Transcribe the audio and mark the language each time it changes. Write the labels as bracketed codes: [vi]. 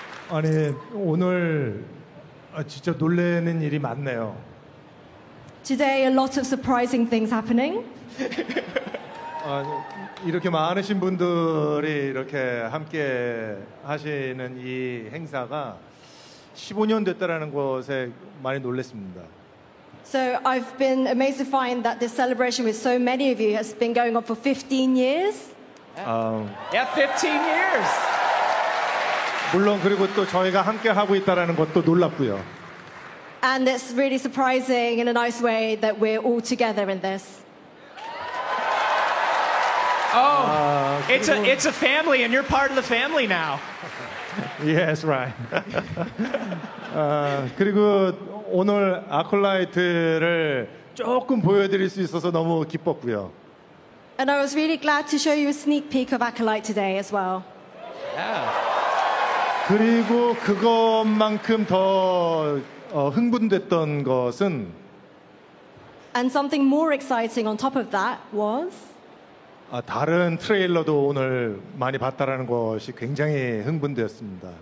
[ko] 아니 오늘 진짜 놀래는 일이 많네요. [en] Today, a lot of surprising things happening. [ko] 이렇게 많으신 분들이 이렇게 함께 하시는 이 행사가 15년 됐다라는 것에 많이 놀랐습니다. [en] So I've been amazed to find that this celebration with so many of you has been going on for 15 years. Yeah, 15 years. [ko] 물론 그리고 또 저희가 함께 하고 있다라는 것도 놀랍고요. [en] And it's really surprising in a nice way that we're all together in this. Oh, it's a family, and you're part of the family now. Yes, right. [ko] 그리고 오늘 아콜라이트를 조금 보여드릴 수 있어서 너무 기뻤고요. [en] And I was really glad to show you a sneak peek of Acolyte today as well. Yeah. [ko] 그리고 그것만큼 더 흥분됐던 것은 [en] And something more exciting on top of that was [ko] 다른 트레일러도 오늘 많이 봤다라는 것이 굉장히 흥분되었습니다.